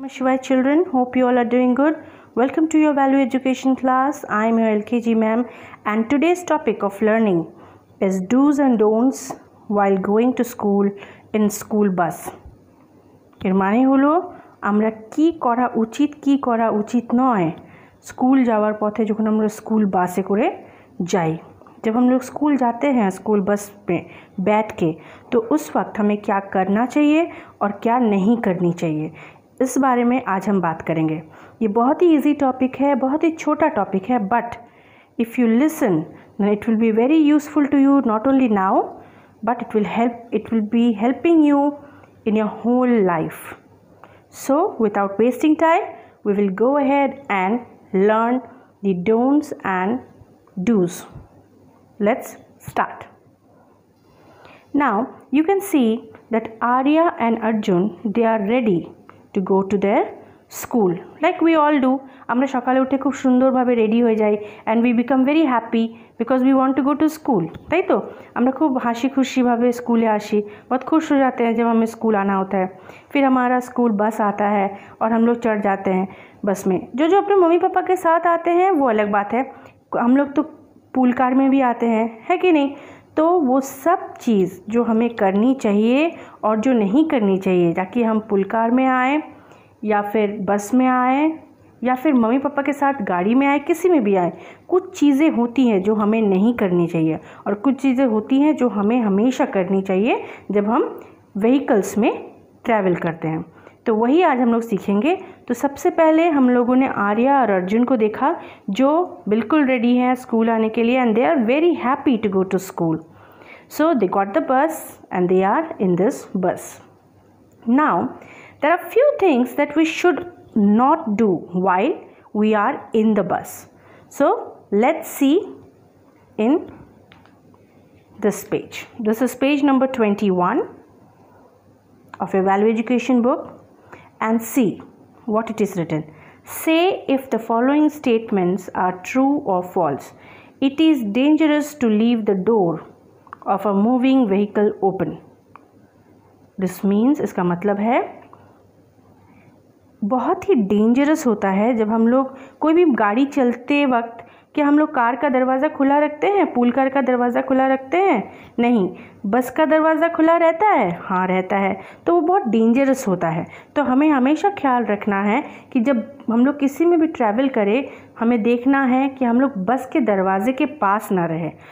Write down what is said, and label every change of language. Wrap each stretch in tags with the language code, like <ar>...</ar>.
<en>Shiva children, hope you all are doing good. Welcome to your value education class. I am your LKG ma'am, and today's topic of learning is do's and don'ts while going to school in school bus.</en> <bn>এর মানে হলো আমরা কি করা উচিত কি করা উচিত নয় স্কুল যাওয়ার পথে যখন আমরা স্কুল বাসে করে যাই।</bn> <hi>जब हम लोग स्कूल जाते हैं स्कूल बस में बैठ के, तो उस वक्त हमें क्या करना चाहिए और क्या नहीं करनी चाहिए, इस बारे में आज हम बात करेंगे। ये बहुत ही इजी टॉपिक है,</hi> <en>बहुत ही छोटा टॉपिक है, but if you listen then it will be very useful to you, not only now but it will be helping you in your whole life. So without wasting time we will go ahead and learn the don'ts and dos. Let's start. Now you can see that Arya and Arjun, they are ready to go to their school. Like we all do,</en> <bn>amra sokale uthe khub sundor bhabe ready hoye jai</bn> <en>and we become very happy because we want to go to school.</en> <bn>Tai to amra khub hashi khushi bhabe school e ashi,</bn> <hi>bahut khush ho jate hain jab hame school aana hota hai. Fir hamara school bus aata hai aur hum log chadh jate hain bus mein. Jo jo apne mummy papa ke sath aate hain wo alag baat hai, hum log to pool car में भी आते हैं, है कि नहीं। तो वो सब चीज़ जो हमें करनी चाहिए और जो नहीं करनी चाहिए, ताकि हम पूल कार में आएँ या फिर बस में आएँ या फिर मम्मी पापा के साथ गाड़ी में आए, किसी में भी आए, कुछ चीज़ें होती हैं जो हमें नहीं करनी चाहिए और कुछ चीज़ें होती हैं जो हमें हमेशा करनी चाहिए जब हम व्हीकल्स में ट्रैवल करते हैं। तो वही आज हम लोग सीखेंगे। तो सबसे पहले हम लोगों ने आर्या और अर्जुन को देखा जो बिल्कुल रेडी हैं स्कूल आने के लिए</hi> <en>And they are very happy to go to school. So they got the bus and they are in this bus. Now there are few things that we should not do while we are in the bus. So let's see in this page. This is page number 21 of a value education book and see what it is written. Say if the following statements are true or false. It is dangerous to leave the door of a moving vehicle open. This means,</en> <hi>इसका मतलब है बहुत ही dangerous होता है जब हम लोग कोई भी गाड़ी चलते वक्त, क्या हम लोग कार का दरवाज़ा खुला रखते हैं, पूल कार का दरवाज़ा खुला रखते हैं? नहीं। बस का दरवाज़ा खुला रहता है? हाँ रहता है। तो वो बहुत डेंजरस होता है, तो हमें हमेशा ख्याल रखना है कि जब हम लोग किसी में भी ट्रैवल करें, हमें देखना है कि हम लोग बस के दरवाज़े के पास ना रहे।</hi>